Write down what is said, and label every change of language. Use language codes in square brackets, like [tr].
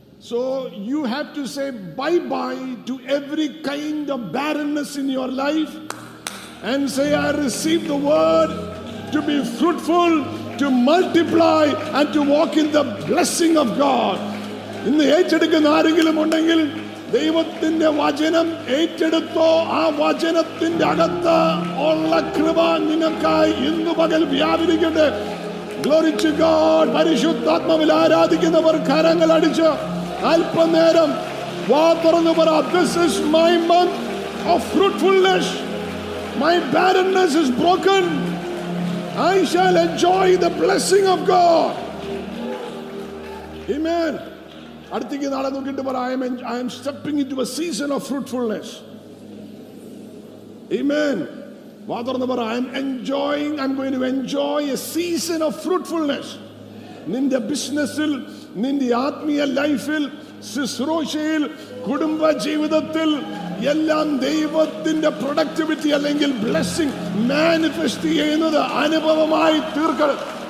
[en] So you have to say bye bye to every kind of barrenness in your life and say I receive the word to be fruitful, to multiply and to walk in the blessing of God. [ml] ഇന്ന് ഏറ്റെടുക്കുന്ന ആരെങ്കിലും ഉണ്ടെങ്കിൽ ദൈവത്തിന്റെ വചനം ഏറ്റെടുത്തോ, ആ വചനത്തിന്റെ അകത്ത് ഉള്ള കൃപ നിനക്കായി ഇന്ന് പകൽ വ്യാപരിക്കട്ടെ. [en] Glory to God. [ml] പരിശുദ്ധാത്മാവിൽ ആരാധിക്കുന്നവർ കരങ്ങൾ അടിച്ച് അല്പനേരം വാ തുറന്നു പറ. [en] This is my month of fruitfulness. My barrenness is broken. I shall enjoy the blessing of God. Amen. [ml] അടുത്തേക്ക് നാളെ നോക്കിട്ട് പറ. [en] I am stepping into a season of fruitfulness. Amen. [ml] വാ തുറന്നു പറ. [en] I'm going to enjoy a season of fruitfulness. [ml] നിന്റെ ബിസിനസ്സിൽ, നിന്റെ ആത്മീയ ലൈഫിൽ, ശുശ്രൂഷയിൽ, കുടുംബ ജീവിതത്തിൽ എല്ലാം ദൈവത്തിന്റെ പ്രൊഡക്ടിവിറ്റി അല്ലെങ്കിൽ ബ്ലെസ്സിങ് മാനിഫെസ്റ്റ് ചെയ്യുന്നത് അനുഭവമായി തീർക്കണം.